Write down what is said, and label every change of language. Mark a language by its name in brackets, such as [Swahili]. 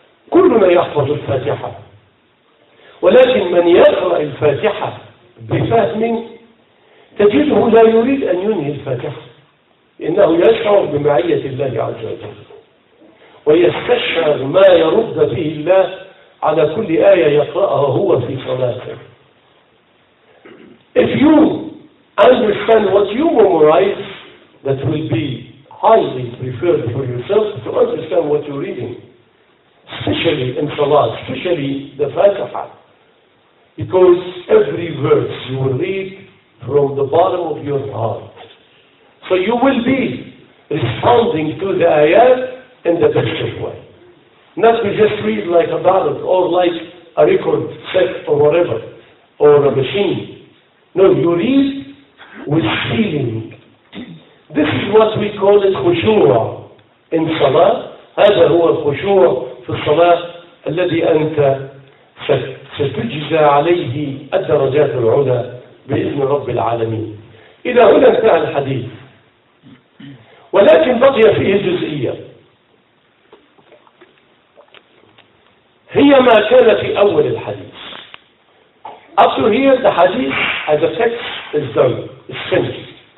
[Arabic] كلنا يحفظ الفاتحة ولكن من يقرأ الفاتحة بفهم تجده لا يريد أن ينهي الفتح، إنه يشعر بمعية الله عز وجل ويستشعر ما يرد به الله على كل آية يقرأها هو في صلاته. [English] If you understand what you memorize, that will be highly preferred for yourself to understand what you're reading, especially in Salah, especially the Fatiha, because every verse you will read from the bottom of your heart. So you will be responding to the ayat in the best of way. Not to just read like a ballad or like a record set or whatever, or a machine. No, you read with feeling. This is what we call it khushu'a in salah. [Arabic] هذا هو الخشوع في الصلاة الذي أنت ستجزى عليه الدرجات العلى بإذن رب العالمين. إلى هنا انتهى الحديث، ولكن بقي فيه جزئية هي ما كان في أول الحديث. [English] Up to here, the hadith as a text is done, it's finished.